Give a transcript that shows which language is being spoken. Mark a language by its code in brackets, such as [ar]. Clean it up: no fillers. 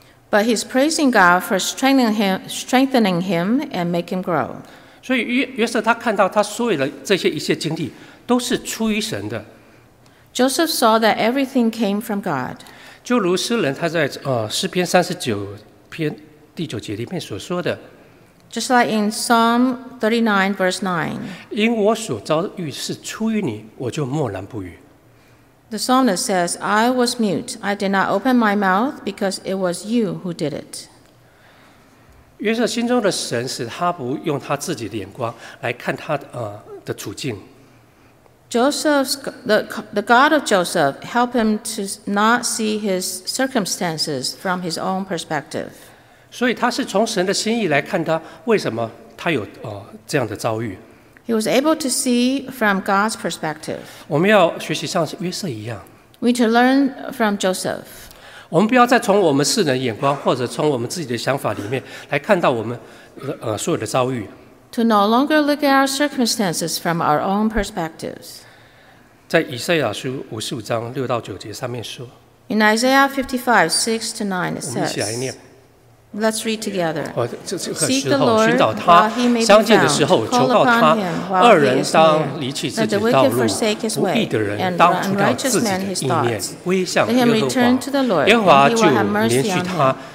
[en] But he's praising God for strengthening him and making him grow. [zh] 所以约瑟他看到他所有的这些一切经历都是出于神的。 [en] Joseph saw that everything came from God. [zh] 就如诗人他在诗篇三十九篇第九节里面所说的。 [en] Just like in Psalm 39 verse 9. [zh] 因我所遭遇是出于你，我就默然不语。 [en] The psalmist says, I was mute. I did not open my mouth because it was you who did it. [zh] 约瑟心中的神使他不用他自己的眼光来看他的处境。 [en] Joseph's, the God of Joseph helped him to not see his circumstances from his own perspective. [zh] 所以他是从神的心意来看他为什么他有这样的遭遇。 [en] He was able to see from God's perspective. [zh] 我们要学习像约瑟一样。 [en] We need to learn from Joseph. [zh] 我们不要再从我们世人眼光或者从我们自己的想法里面来看到我们所有的遭遇。 [en] To no longer look at our circumstances from our own perspectives. [zh] 在以赛亚书五十五章六到九节上面说。 [en] In Isaiah 55:6-9, it says. [zh] 我们一起来念。 [en] Let's read together. Seek the Lord while he may be found. Call upon him while he is near. Let the wicked forsake his way, and the unrighteous man his thoughts. Let him return to the Lord, and he will have mercy on him.